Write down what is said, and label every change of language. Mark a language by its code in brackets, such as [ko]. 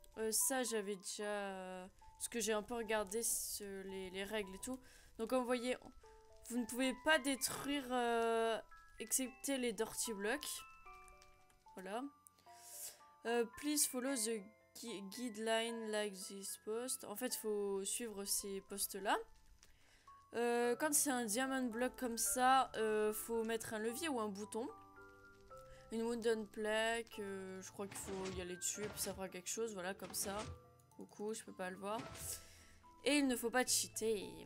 [fr] Ça, j'avais déjà... Parce que j'ai un peu regardé les règles et tout. Donc, comme vous voyez... Vous ne pouvez pas détruire, excepté les dirty blocks. Voilà. [en] Please follow the guideline like this post. [fr] En fait, il faut suivre ces posts-là. Quand c'est un diamond block comme ça, faut mettre un levier ou un bouton. Une wooden plaque, je crois qu'il faut y aller dessus et puis ça fera quelque chose. Voilà, comme ça. Coucou, je peux pas le voir. Et il ne faut pas cheater.